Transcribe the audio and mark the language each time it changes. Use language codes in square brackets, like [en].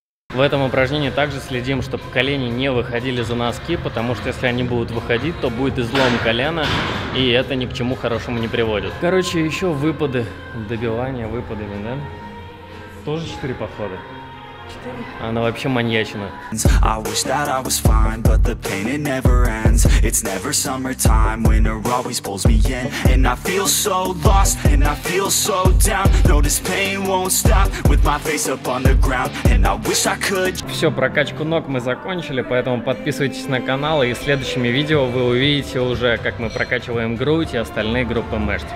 [ru] В этом упражнении также следим, чтобы колени не выходили за носки, потому что если они будут выходить, то будет излом колена, и это ни к чему хорошему не приводит. Короче, еще выпады, добивания выпадами, да? Тоже 4 подхода? 4. Она вообще маньячина. [en] I wish that I was fine, but the pain it never ends. It's never summertime, winter always pulls me in. And I feel so lost, and I feel so down. No, this pain won't stop, with my face up on the ground. And I wish I could. [ru] Все, прокачку ног мы закончили, поэтому подписывайтесь на канал, и следующими видео вы увидите уже, как мы прокачиваем грудь и остальные группы мышц.